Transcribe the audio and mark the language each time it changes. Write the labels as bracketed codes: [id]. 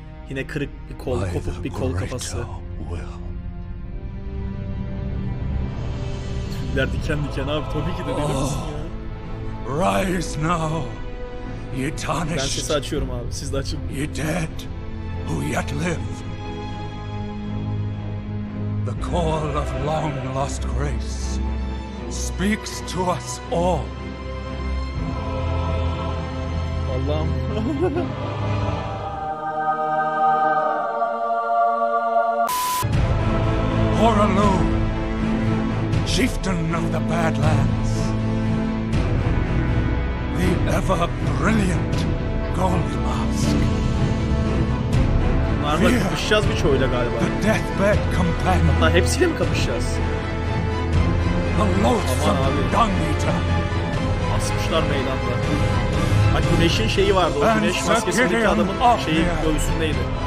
[tr] Yine kırık bir kol, kopuk bir kol kafası. Diken diken diken abi, tabii ki de denemezsin ya. [en] Rise now. [tr] Ben sesi açıyorum abi, siz de açın. [en] You dead, who yet live. The call of long lost grace speaks to us all. [tr] Allah'ım. [en] Horaloo. Chieftain of the Badlands, the ever brilliant Gold Mask. [tr] Bunlarla kapışacağız birçoğuyla galiba. [en] The deathbed companion. [tr] Hatta hepsiyle mi kapışacağız? [en] The loathsome dung eater. [tr] Asmışlar meydanda. Ha, güneşin şeyi vardı. O güneş maskesindeki adamın şeyi göğsündeydi.